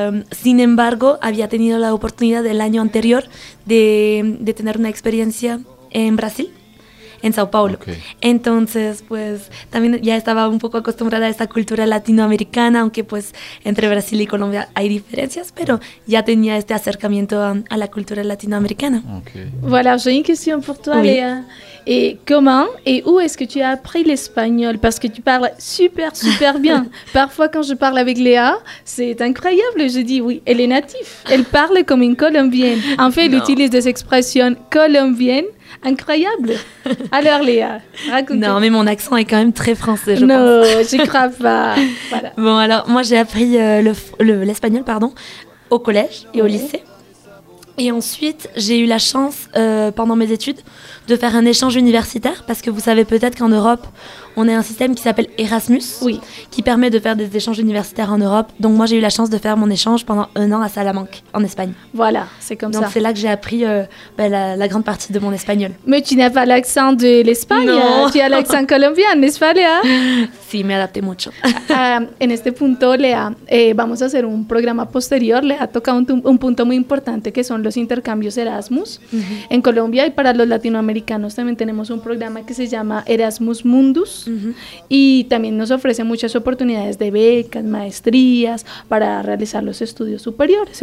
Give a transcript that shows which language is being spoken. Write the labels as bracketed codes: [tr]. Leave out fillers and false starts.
[es] Sin embargo, había tenido la oportunidad del año anterior de tener una experiencia en Brasil, en Sao Paulo. Okay. Entonces, pues también ya estaba un poco acostumbrada a esta cultura latinoamericana, aunque pues entre Brasil y Colombia hay diferencias, pero ya tenía este acercamiento a la cultura latinoamericana. Okay. [fr] Voilà, j'ai une question pour toi, oui. Léa. Et comment et où est-ce que tu as appris l'espagnol? Parce que tu parles super, super bien. Parfois, quand je parle avec Léa, c'est incroyable. Je dis oui, elle est native. Elle parle comme une Colombienne. En fait, elle utilise des expressions colombiennes. Incroyable. Alors, Léa, raconte-nous. Non, mais mon accent est quand même très français, je pense. Non, je crois pas. Voilà. Bon, alors, moi, j'ai appris l'espagnol, pardon, au collège et au lycée. Et ensuite, j'ai eu la chance, pendant mes études, de faire un échange universitaire, parce que vous savez peut-être qu'en Europe, on a un système qui s'appelle Erasmus, oui. Qui permet de faire des échanges universitaires en Europe. Donc moi, j'ai eu la chance de faire mon échange pendant un an à Salamanque, en Espagne. Voilà, c'est comme donc ça. Donc c'est là que j'ai appris la grande partie de mon espagnol. Mais tu n'as pas l'accent de l'Espagne, non. Tu as l'accent colombien, n'est-ce pas, Léa? [es] Sí, me adapté mucho. En este punto, Léa, vamos a hacer un programa posterior. Léa ha tocado un punto muy importante, que son los intercambios Erasmus. Uh-huh. En Colombia y para los latinoamericanos también tenemos un programa que se llama Erasmus Mundus. Uh-huh. Y también nos ofrece muchas oportunidades de becas, maestrías para realizar los estudios superiores.